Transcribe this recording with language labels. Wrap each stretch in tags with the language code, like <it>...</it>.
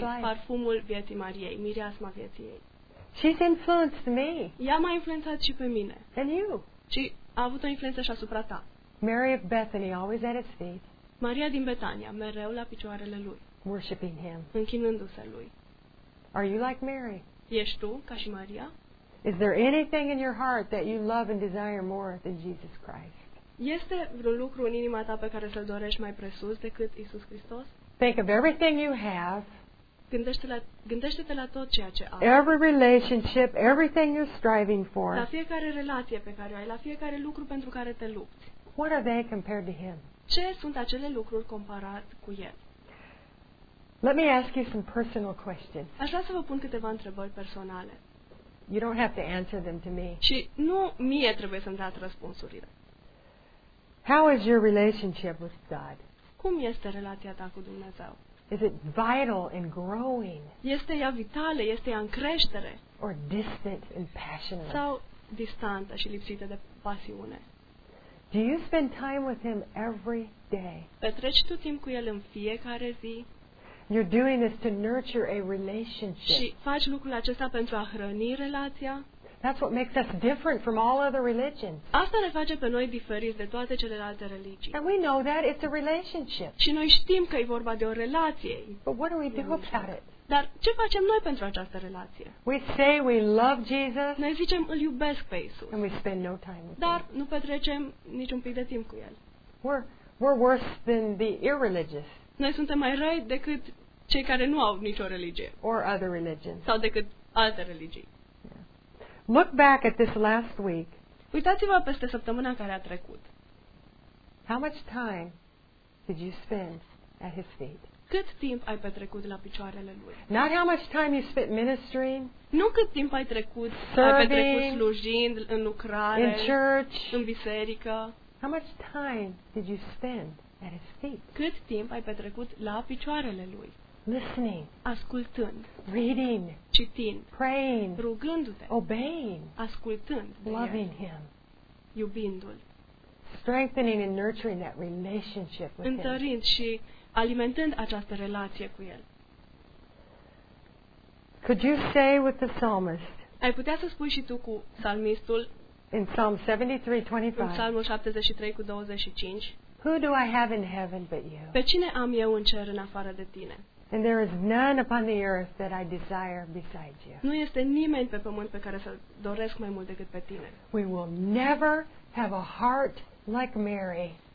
<ro>Chiar și eu simt parfumul vieții Mariei, mireasma vieții ei.</ro> <en>She's influenced me.</en> <ro>Ea m-a influențat și pe mine.</ro> <en>And you.</en> <ro>Și a avut o influență și asupra ta.</ro> <en>Mary of Bethany, always at his feet.</en> <ro>Maria din Betania, mereu la picioarele lui.</ro> <en>Worshiping him.</en> <ro>Închinându-se lui.</ro> <en>Are you like Mary?</en> <ro>Ești tu ca și Maria?</ro> <en>Is there anything in your heart that you love and desire more than Jesus Christ?</en> <ro>Este vreun lucru în inima ta pe care să-l dorești mai presus decât Iisus Hristos?</ro> <en>Think of everything you have.</en> <ro>Gândește-te la tot ceea ce ai.</ro> <en>Every relationship, everything you're striving for.</en> <ro>La fiecare relație pe care o ai, la fiecare lucru pentru care te lupți.</ro> <en>What are they compared to him?</en> <ro>Ce sunt acele lucruri comparat cu el?</ro> <en>Let me ask you some personal questions.</en> <ro>Aș vrea să vă pun câteva întrebări personale.</ro> <en>You don't have to answer them to me.</en> <ro>Și nu mie trebuie să-mi dați răspunsurile.</ro> <en>How is your relationship with God?</en> <ro>Cum este relația ta cu Dumnezeu?</ro> <en>Is it vital and growing?</en> <ro>Este ea vitală, este ea în creștere?</ro> <en>Or distant and passionless?</en> <ro>Sau distantă și lipsită de pasiune?</ro> <en>Do you spend time with him every day?</en> <ro>Petreci tu timp cu el în fiecare zi?</ro> <en>You're doing this to nurture a relationship.</en> <ro>Și faci lucrul acesta pentru a hrăni relația?</ro> <en>That's what makes us different from all other religions.</en> <ro>Asta ne face pe noi diferiți de toate celelalte religii.</ro> <en>And we know that it's a relationship.</en> <ro>Și noi știm că e vorba de o relație.</ro> <en>But what do we do about it?</en> <ro>Dar ce facem noi pentru această relație?</ro> <en>We say we love Jesus.</en> <ro>Noi zicem îl iubesc pe Iisus.</ro> <en>And we spend no time with</en> <ro>dar</ro> <en>him.</en> <ro>Dar nu petrecem niciun pic de timp cu el.</ro> <en>We're worse than the irreligious.</en> <ro>Noi suntem mai răi decât cei care nu au nicio religie.</ro> <en>Or other religions.</en> <ro>Sau decât alte religii.</ro> <en>Look back at this last week.</en> <ro>Uitați-vă peste săptămâna care a trecut.</ro> <en>How much time did you spend at his feet?</en> <ro>Cât timp ai petrecut la picioarele lui?</ro> <en>Not how much time you spent ministering.</en> <ro>Nu cât timp ai trecut, slujind, în lucrare,</ro> <en>in church,</en> <ro>în biserică.</ro> <en>How much time did you spend at his feet?</en> <ro>Cât timp ai petrecut la picioarele lui?</ro> <en>Listening,</en> <ro>ascultând,</ro> <en>reading,</en> <ro>citind,</ro> <en>praying,</en> <ro>rugându-te,</ro> <en>obeying,</en> <ro>ascultând,</ro> <en>loving him,</en> <ro>iubindu-l,</ro> <en>strengthening and nurturing that relationship with him,</en> <ro>întărind și alimentând această relație cu el.</ro> <en>Could you say with the psalmist?</en> <ro>Ai putea să spui și tu cu psalmistul?</ro> <en>In Psalm 73:25.</en> <ro>În Psalmul 73:25.</ro> <en>Who do I have in heaven but you?</en> <ro>Pe cine am eu în cer în afară de tine?</ro> <en>And there is none upon the earth that I desire beside you.</en> <ro>Nu este nimeni pe pământ pe care să-l doresc mai mult decât pe tine.</ro> <en>We will never have a heart like Mary.</en>